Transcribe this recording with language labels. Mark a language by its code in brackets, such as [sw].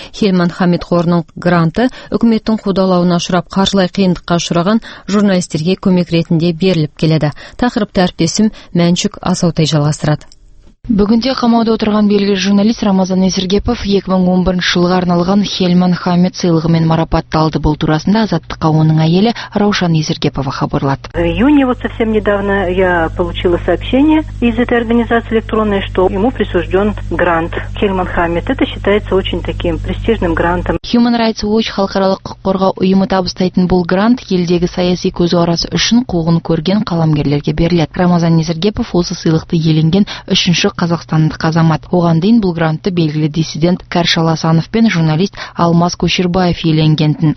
[kk] Хельман Хамед қорының гранты үкіметтің қудалауына ұшырап қаржылай қиындыққа ұшыраған журналистерге көмек ретінде беріліп келеді. Тақырыпты әріптесім Мәншүк Асаутай жалғастырады. Бүгінде қамауда отырған белгілі журналист Рамазан Есіргепов 2011 жылға арналған Хельман Хамед сыйлығымен марапатталды. Бұл турасында Азаттыққа оның әйелі Раушан Есіргепова хабарлады. [ru] В июне вот совсем недавно я получила сообщение из этой организации электронной, что ему присужден грант Хельман Хамед. Это считается очень таким престижным грантом. [kk] Human Rights Watch халықаралық құқық қорғау ұйымы табыстайтын бұл грант елдегі саяси көзқарас үшін қуғын көрген қаламгерлерге беріледі. Рамазан Есіргепов осы сыйлықты иеленген үшінші қазақстандық азамат. Оған дейін бұл грантты белгілі диссидент Кәршал Асанов пен журналист Алмаз Көшербаев иеленгентін.